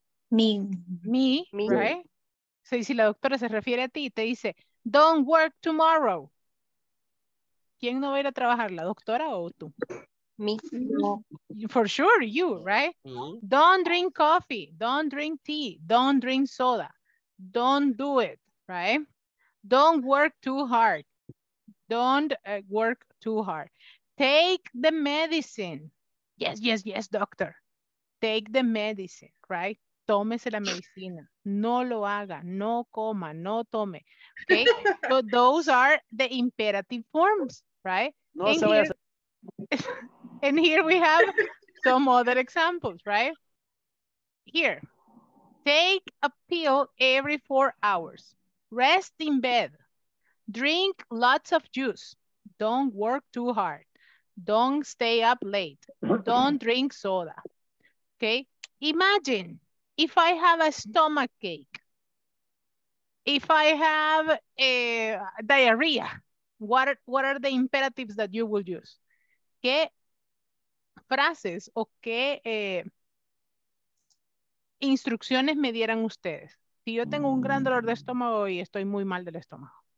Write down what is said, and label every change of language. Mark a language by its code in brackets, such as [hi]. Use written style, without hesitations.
[en] Me, right? So, [es] si la doctora se refiere a ti y te dice, [en] don't work tomorrow. [es] ¿Quién no va a ir a trabajar, la doctora o tú? [en] Me. For sure, you, right? Me. Don't drink coffee, don't drink tea, don't drink soda. Don't do it, right? Don't work too hard. Don't work too hard. Take the medicine. Yes, yes, yes, doctor. Take the medicine, right? [es] Tómese la medicina. No lo haga. No coma. No tome. Okay? [en] So those are the imperative forms, right? No and, se here, vaya a... and here we have some other examples, right? Here. Take a pill every 4 hours. Rest in bed. Drink lots of juice. Don't work too hard. Don't stay up late. Don't drink soda. Okay? Imagine. If I have a stomachache, if I have a diarrhea, what are the imperatives that you will use? [es] ¿Qué frases o qué instrucciones me dieran ustedes? Si yo tengo un gran dolor de estómago y estoy muy mal del estómago.